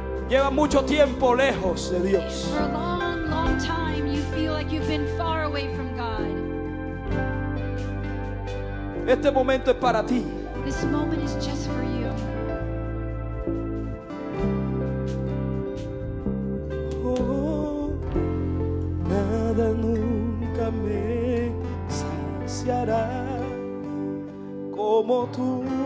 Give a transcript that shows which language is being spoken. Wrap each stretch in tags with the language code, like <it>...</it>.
<es>Lleva mucho tiempo lejos de Dios.</es> <en>For a long, long time, you feel like you've been far away from God.</en> <es>Este momento es para ti.</es> <en>This moment is just for you.</en> <es>Oh, nada nunca me saciará como tú.</es>